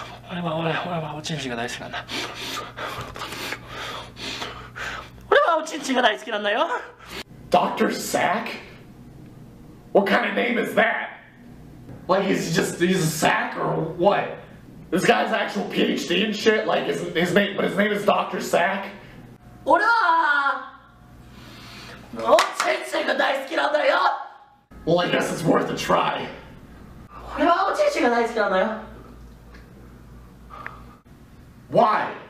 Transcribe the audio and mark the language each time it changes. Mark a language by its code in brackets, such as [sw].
[ja] 俺は、おちんちんが大好きなんだ。俺はおちんちんが大好きなんだよ。 [en] Dr. Sack? What kind of name is that? Like, is he just, he's a sack or what? This guy's actual PhD and shit? Like, his name is Dr. Sack? [ja] 俺は、おちんちんが大好きなんだよ。 [en] Well, I guess it's worth a try. [ja] 俺はおちんちんが大好きなんだよ。 [en] Why?